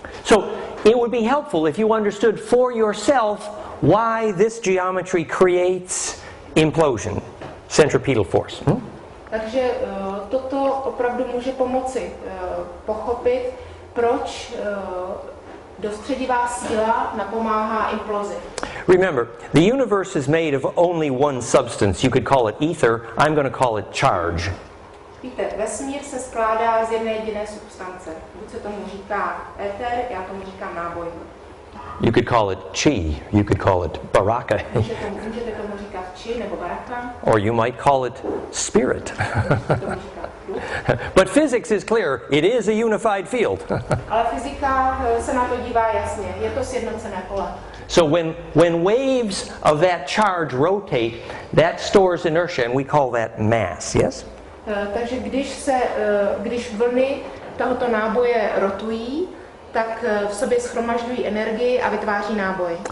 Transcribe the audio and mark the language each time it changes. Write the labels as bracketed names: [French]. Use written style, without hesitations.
[English] So it would be helpful if you understood for yourself why this geometry creates implosion, centripetal force. [Czech] Takže toto opravdu může pomoci pochopit, proč dostředivá síla napomáhá implozi. [English] Remember, the universe is made of only one substance. You could call it ether. I'm going to call it charge. [Czech] Víte, vesmír se skládá z jedné jediné substance. Buď se tomu říká éter, já tomu říkám náboj. [English] You could call it chi. You could call it baraka. [Czech] Můžete tomu říkat chi nebo baraka. [English] Or you might call it spirit. But physics is clear. It is a unified field. [Czech] Ale fyzika se na to dívá jasně. Je to sjednocené pole. [English] So when waves of that charge rotate, that stores inertia, and we call that mass. Yes? [Czech] Takže když vlny tohoto náboje rotují, tak v sobě shromažďují energii a vytváří náboj.